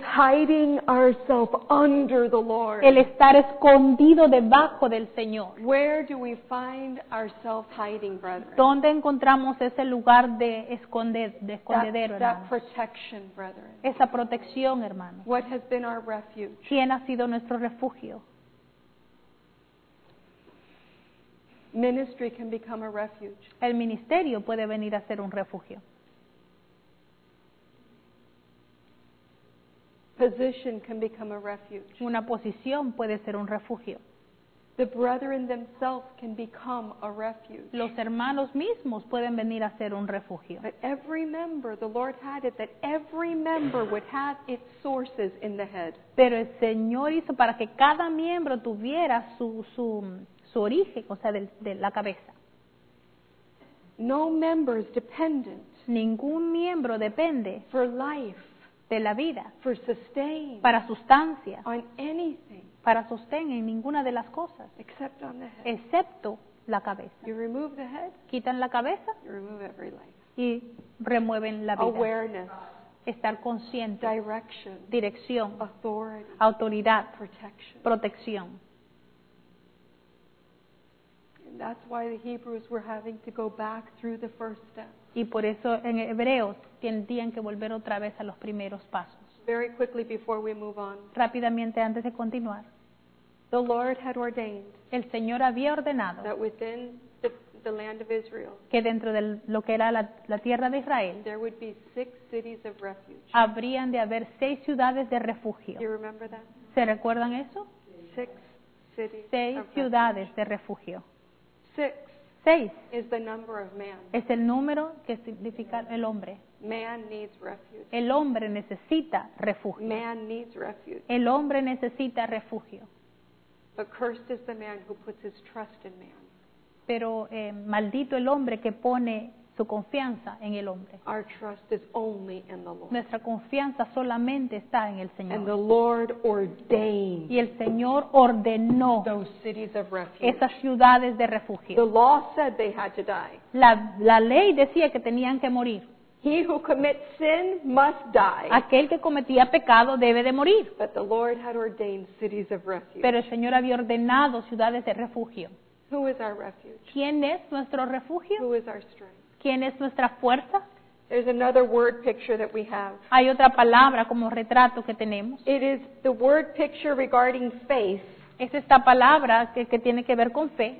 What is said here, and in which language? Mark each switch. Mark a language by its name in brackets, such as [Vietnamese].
[English] hiding ourselves under the Lord. [Spanish] El estar escondido debajo del Señor. [English] Where do we find ourselves hiding, brethren? [Spanish] ¿Dónde encontramos ese lugar de esconder, de escondedero, [English] hermanos? That protection, brethren. [Spanish] Esa protección, hermanos. [English] What has been our refuge? [Spanish] ¿Quién ha sido nuestro refugio? [English] Ministry can become a refuge. [Spanish] El ministerio puede venir a ser un refugio. [English] Position can become a refuge. [Spanish] Una posición puede ser un refugio. [English] The brethren themselves can become a refuge. [Spanish] Los hermanos mismos pueden venir a ser un refugio. [English] But every member, the Lord had it, that every member would have its sources in the head. [Spanish] Pero el Señor hizo para que cada miembro tuviera su origen, o sea, de la cabeza. [English] No member is dependent. [Spanish] Ningún miembro depende. [English] For life. [Spanish] De la vida. [English] For sustain. [Spanish] Para sustancia. [English] On anything. [Spanish] Para sostén en ninguna de las cosas. [English] Except on the head. [Spanish] Excepto la cabeza. [English] You remove the head. [Spanish] Quitan la cabeza. [English] You remove every life. [Spanish] Y remueven la vida. [English] Awareness. [Spanish] Estar consciente. [English] Direction. [Spanish] Dirección. [English] Authority. [Spanish] Autoridad. [English] Protection. [Spanish] Protección. [English] That's why the Hebrews were having to go back through the first step. [Spanish] Y por eso en Hebreos tenían que volver otra vez a los primeros pasos. [English] Very quickly before we move on. [Spanish] Rápidamente antes de continuar. [English] The Lord had ordained. [Spanish] El Señor había ordenado. [English] That within the land of Israel. [Spanish] Que dentro de lo que era la tierra de Israel. [English] There would be 6 cities of refuge. [Spanish] Habrían de haber 6 ciudades de refugio. [English] Do you remember that? [Spanish] ¿Se recuerdan eso? [English] 6 cities. [Spanish] 6 ciudades de refugio. [English] 6 is the number of man. [Spanish] Es el número que significa el hombre. [English] Man needs refuge. [Spanish] El hombre necesita refugio. [English] Man needs refuge. [Spanish] El hombre necesita refugio. [English] But cursed is the man who puts his trust in man. [Spanish] Pero maldito el hombre que pone su confianza en el hombre. [English] Our trust is only in the Lord. [Spanish] Nuestra confianza solamente está en el Señor. [English] And the Lord ordained. [Spanish] Y el Señor ordenó [English] those cities of refuge. [Spanish] Esas ciudades de refugio. [English] The law said they had to die. [Spanish] La ley decía que tenían que morir. [English] He who commits sin must die. [Spanish] Aquel que cometía pecado debe de morir. [English] But the Lord had ordained cities of refuge. [Spanish] Pero el Señor había ordenado ciudades de refugio. [English] Who is our refuge? [Spanish] ¿Quién es nuestro refugio? [English] Who is our strength? [Spanish] ¿Quién es nuestra fuerza? [English] There's another word picture that we have. [Spanish] Hay otra palabra como retrato que tenemos. [English] It is the word picture regarding faith. [Spanish] Es esta palabra que tiene que ver con fe.